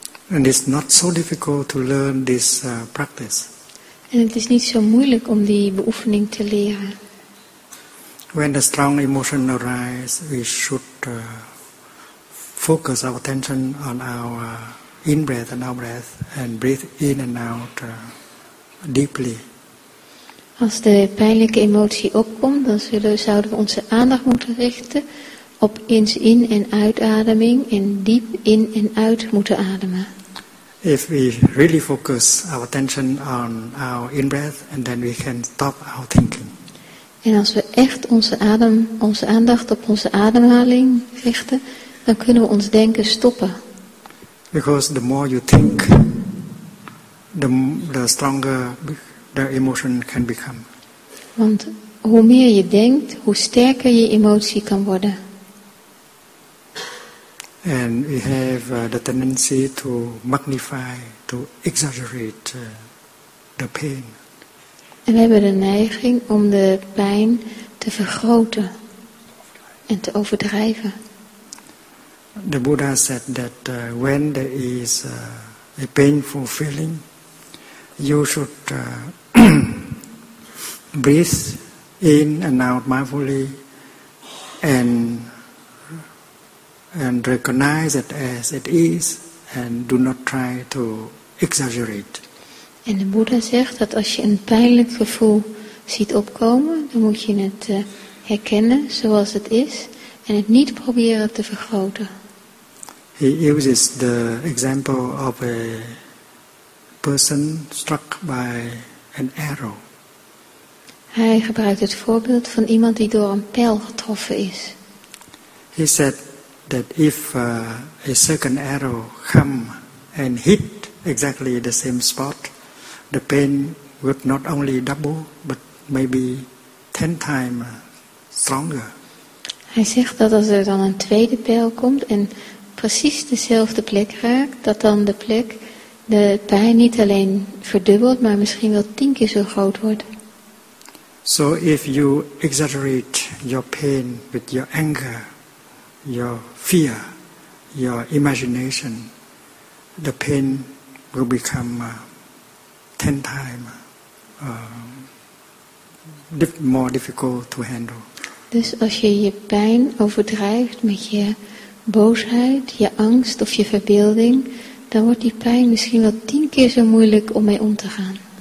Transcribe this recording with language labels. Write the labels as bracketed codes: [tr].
[en] And it's not so difficult to learn this practice. [nl] En het is niet zo moeilijk om die beoefening te leren. [en] When the strong emotion arises, we should focus our attention on our in-breath and out-breath and breathe in and out deeply. [nl] Als de pijnlijke emotie opkomt, dan zouden we onze aandacht moeten richten op ins in- en uitademing en diep in- en uit moeten ademen. [en] If we really focus our attention on our in-breath, and then we can stop our thinking. [nl] En als we echt onze aandacht op onze ademhaling richten, dan kunnen we ons denken stoppen. [en] Because the more you think, the stronger the emotion can become. [nl] Want hoe meer je denkt, hoe sterker je emotie kan worden. [en] And we have the tendency to magnify, to exaggerate the pain. [nl] En we hebben de neiging om de pijn te vergroten en te overdrijven. [en] The Buddha said that when there is a painful feeling, you should breathe in and out mindfully and recognize it as it is and do not try to exaggerate. [nl] En de Boeddha zegt dat als je een pijnlijk gevoel ziet opkomen, dan moet je het herkennen zoals het is en het niet proberen te vergroten. [en] He uses the example of a person struck by an arrow. [nl] Hij gebruikt het voorbeeld van iemand die door een pijl getroffen is. [en] He said that if a second arrow come and hit exactly the same spot, the pain would not only double, but maybe 10 times stronger. [nl] Hij zegt dat als dan een tweede pijl komt en precies dezelfde plek raakt, dat dan de pijn niet alleen verdubbelt, maar misschien wel 10 keer zo groot wordt. [en] So if you exaggerate your pain with your anger, your fear, your imagination, the pain will become 10 times more difficult to handle. [nl] Dus als je je pijn overdrijft met je boosheid, je angst of je verbeelding, dan wordt die pijn misschien wel 10 keer zo moeilijk om mee om te gaan.